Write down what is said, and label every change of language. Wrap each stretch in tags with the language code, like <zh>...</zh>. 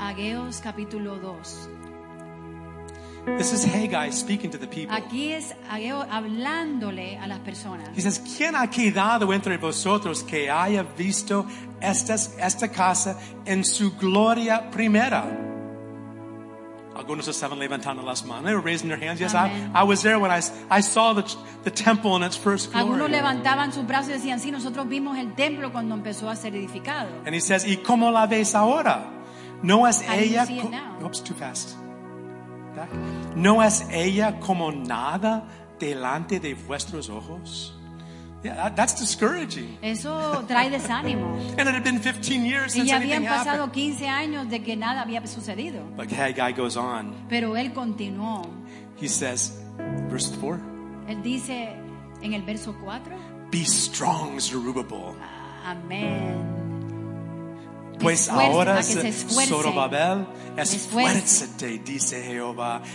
<es>Ageos capítulo 2.</es> <en>This is Haggai speaking to the people.</en> <es>Aquí es Ageo hablándole a las personas.</es> <en>He says,</en> <es>¿quién ha quedado entre vosotros que haya visto esta casa en su gloria primera? Algunos estaban levantando las manos.</es> <en>They were raising their hands. Yes, I was there when I saw the temple in its first glory.</en> <es>Algunos levantaban sus brazos y decían, sí, nosotros vimos el templo cuando empezó a ser edificado.</es> <en>And he says,</en> <es>¿y cómo la ves ahora? No es ella.</es> <en>Oops, too fast. Back.</en> <es>No es ella como nada delante de vuestros ojos.</es> <en>Yeah, that's discouraging.</en> <es>Eso trae desánimo.</es> <en>And it had been 15 years since anything happened.</en> <es>Y habían pasado 15 años de que nada había sucedido.</es> <en>But Haggai goes on.</en> <es>Pero él continuó.</es> <en>He says, verse 4.</en> <es>Él dice en el verso 4.</es> <en>Be strong, Zerubbabel.</en> <es>Amén. Pues ahora, Zorobabel, esfuércete, dice Jehová.</es>